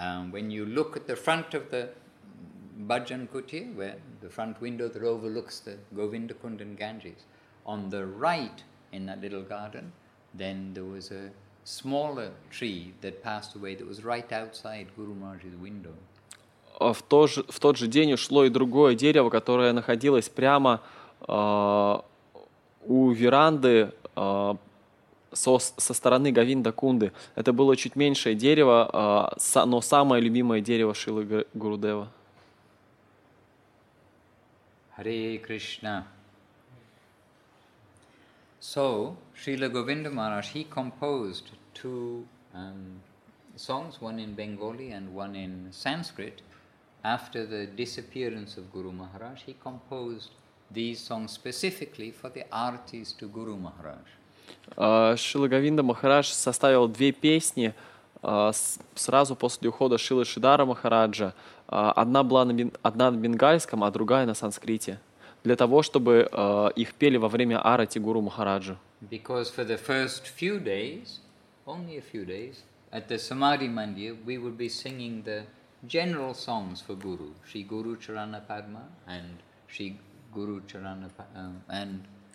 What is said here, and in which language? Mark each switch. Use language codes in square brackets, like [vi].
[en] When you look at the front of the Bhajan Kutir, where the front window that overlooks the Govindakund and Ganges, on the right in that little garden, then there was a smaller tree that passed away that was right outside Guru Maharaj's window. [ru] В тот же день ушло и другое дерево, которое находилось прямо у веранды со стороны Говинда Кунды. Это было чуть меньшее дерево, но самое любимое дерево Шрилы Гурудева. [en] Hare Krishna. So, Srila Govinda Maharaj, he composed two songs, one in Bengali and one in Sanskrit. After the disappearance of Guru Maharaj, he composed these songs specifically for the aartis to Guru Maharaj. [ru] Шрила Говинда Махарадж составил две песни сразу после ухода Шрилы Шридхара Махараджа. Одна была одна на бенгальском, а другая на санскрите, для того, чтобы их пели во время аарти Гуру Махараджу. [en] Because for the first few days, only a few days, at the Samadhi Mandir, we would be singing the general songs for Guru, Shri Guru Charana Padma and Shri Guru Charana and